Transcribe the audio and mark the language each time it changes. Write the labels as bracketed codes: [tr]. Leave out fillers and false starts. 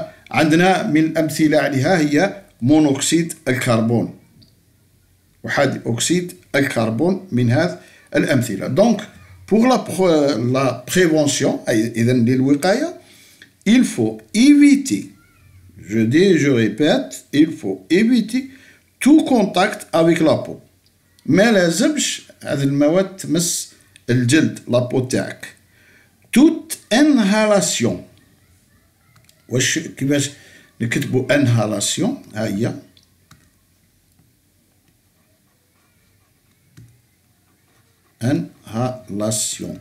[ar] عندنا من الأمثلة عليها هي مونوكسيد الكربون وحاد أكسيد الكربون من هذه الأمثلة. [fr] دونك pour la prévention [ar] إذن للوقاية [fr] il faut éviter je répète il faut éviter tout contact avec la peau. [ar] ما لازمش هذه المواد تمس الجلد la peau تاعك. [fr] toute inhalation [ar] واش كيفاش نكتبوا انهالاسيون؟ ها هي انهالاسيون.